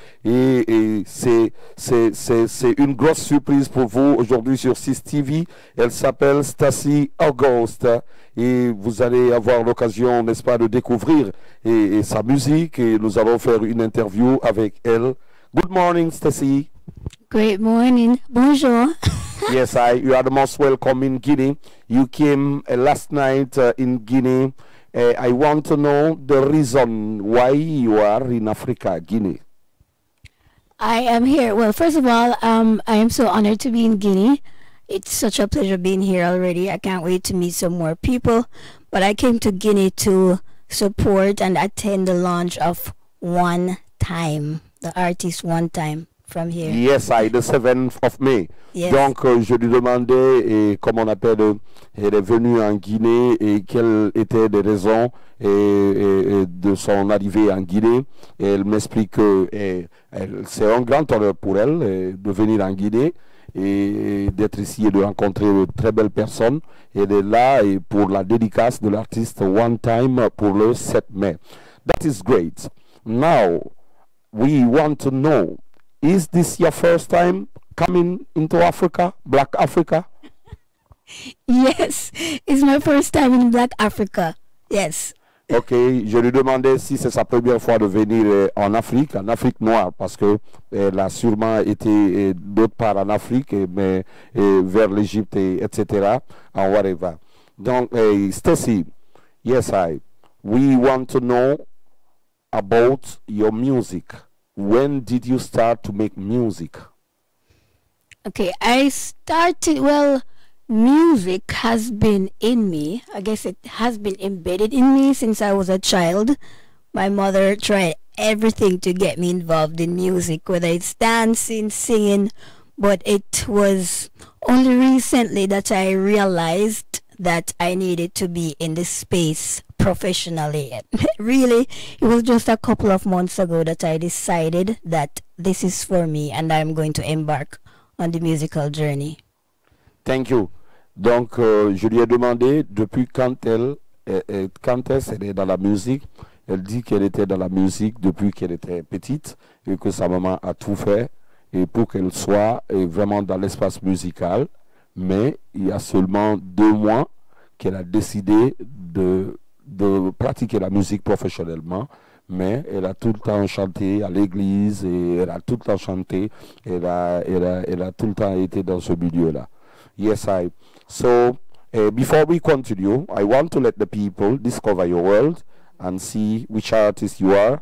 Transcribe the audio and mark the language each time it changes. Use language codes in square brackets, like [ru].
[fr] Et c'est une grosse surprise pour vous aujourd'hui sur CIS TV. Elle s'appelle Stassi August. Et vous allez avoir l'occasion, n'est-ce pas, de découvrir et sa musique. Et nous allons faire une interview avec elle. [en] Good morning, Stassi. Good morning. Bonjour. Yes, you are the most welcome in Guinea. You came last night in Guinea. I want to know the reason why you are in Africa, Guinea. I am here. Well, first of all, I am so honored to be in Guinea. It's such a pleasure being here already. I can't wait to meet some more people. But I came to Guinea to support and attend the launch of One Time, the artist One Time. From here. Yes, the 7th of May. Yes. [fr] Donc, je lui demandais, et comme on appelle, elle est venue en Guinée et quelles étaient les raisons de son arrivée en Guinée. Et elle m'explique que c'est un grand honneur pour elle de venir en Guinée et d'être ici et de rencontrer de très belles personnes. Elle est là et pour la dédicace de l'artiste One Time pour le 7 mai. [en] That is great. Now, we want to know. Is this your first time coming into Africa, Black Africa? Yes, it's my first time in Black Africa. Yes. [fr] Okay, je lui demandais si c'est sa première fois de venir en Afrique noire, parce que elle a sûrement été d'autre part en Afrique, mais vers l'Égypte, etc. En whatever. [en] Donc, Stassi, yes, we want to know about your music. When did you start to make music? Okay, I started, well, music has been in me. I guess it has been embedded in me since I was a child. My mother tried everything to get me involved in music, whether it's dancing, singing, but it was only recently that I realized that I needed to be in this space professionally. Really, it was just a couple of months ago that I decided that this is for me and I'm going to embark on the musical journey. Thank you. [fr] Donc, je lui ai demandé depuis quand elle est dans la musique. Elle dit qu'elle était dans la musique depuis qu'elle était petite et que sa maman a tout fait et pour qu'elle soit vraiment dans l'espace musical. Mais il y a seulement 2 mois qu'elle a décidé de pratiquer la musique professionnellement, mais elle a tout le temps chanté à l'église et elle a tout le temps chanté, elle a tout le temps été dans ce milieu-là. [en] Yes, before we continue, I want to let the people discover your world and see which artist you are.